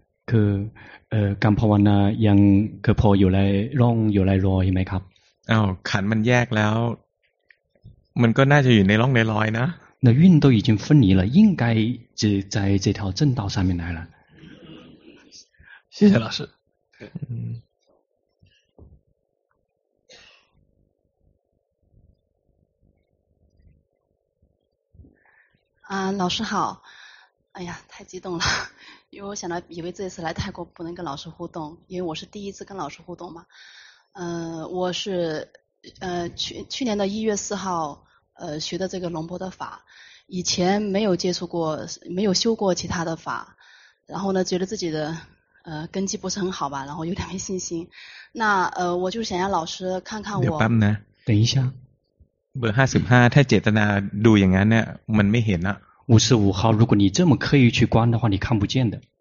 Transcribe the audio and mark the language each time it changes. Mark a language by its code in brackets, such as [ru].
[th] คือการภาวนายังคือพออยู่ในร่องอยู่ในรอยไหมครับ อ้าวขันมันแยกแล้วมันก็น่าจะอยู่ในร่องในรอยนะ [zh] 那运都已经分离了应该就在这条正道上面来了谢谢老师老师好，哎呀，太激动了，因为我想到以为这次来泰国不能跟老师互动，因为我是第一次跟老师互动嘛。我是去年的1月4号学的这个龙波的法，以前没有接触过，没有修过其他的法，然后呢，觉得自己的根基不是很好吧，然后有点没信心。那我就想让老师看看我。等一下。 [th] เบอร์55ถ้าเจตนาดูอย่างนั้นเนี่ยมันไม่เห็นอ่ะ [zh] 55号如果你这么刻意去观的话你看不见的